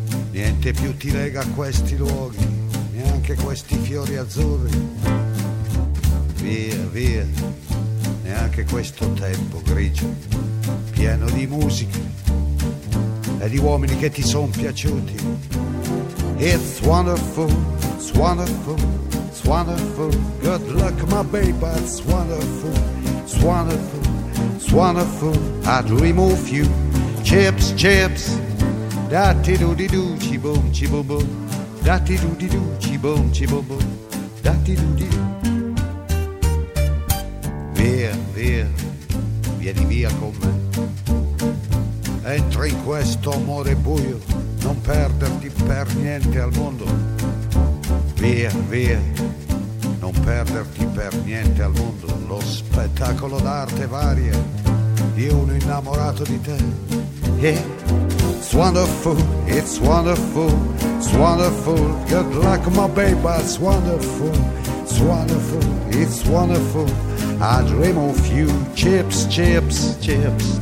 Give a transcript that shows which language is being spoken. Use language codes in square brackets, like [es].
[it] Niente più ti lega a questi luoghi, neanche questi fiori azzurri. Via, via, neanche questo tempo grigio, pieno di musica e di uomini che ti son piaciuti. [en] It's wonderful, it's wonderful, it's wonderful. Good luck, my baby, it's wonderful, it's wonderful, it's wonderful. I'd remove you, chips, chips. Da-ti-do-di-doo, chi-boom, chi-boom-boom. Da-ti-do-di-doo, chi-boom, chi-boom-boom. [it] Da-ti-do-di-doo. Via, via, vieni via con me. Entra in questo amore buio, non perderti per niente al mondo. Via, via, non perderti per niente al mondo. Lo spettacolo d'arte varia di uno innamorato di te. [en] Yeah. It's wonderful, it's wonderful, it's wonderful. Good luck, my baby, it's wonderful, it's wonderful, it's wonderful. I dream of you, chips, chips, chips.